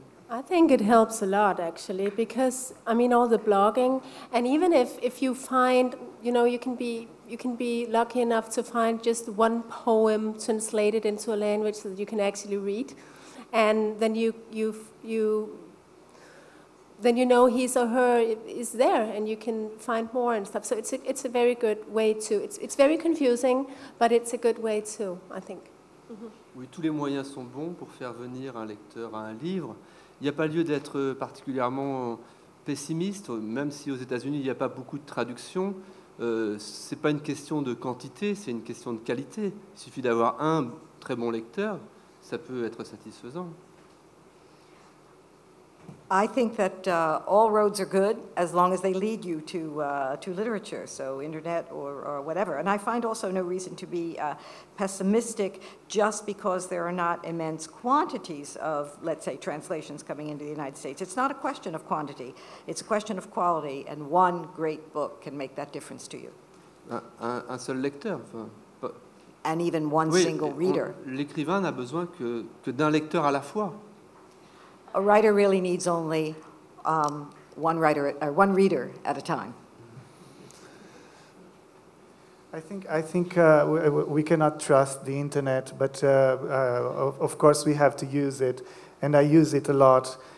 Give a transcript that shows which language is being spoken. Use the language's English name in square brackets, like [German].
[English] I think it helps a lot, actually, because, I mean, all the blogging, and even if you find, you know, you can be lucky enough to find just one poem translated into a language that you can actually read, and then you know his or her is there, and you can find more and stuff. So it's a very good way to. It's very confusing, but it's a good way too, I think. Mm-hmm. [French] Oui, tous les moyens sont bons pour faire venir un lecteur à un livre. Il n'y a pas lieu d'être particulièrement pessimiste, même si aux États-Unis il n'y a pas beaucoup de traductions. C'est pas une question de quantité, c'est une question de qualité. Il suffit d'avoir un très bon lecteur, ça peut être satisfaisant. [English] I think that all roads are good as long as they lead you to literature, so internet or whatever. And I find also no reason to be pessimistic just because there are not immense quantities of, let's say, translations coming into the United States. It's not a question of quantity, it's a question of quality, and one great book can make that difference to you. [French] Un seul lecteur, enfin, pas... [English] And even one [French] oui, [English] single reader. [French] L'écrivain n'a besoin que d'un lecteur à la fois. [English] A writer really needs only one reader at a time. I think we cannot trust the internet, but of course we have to use it, and I use it a lot.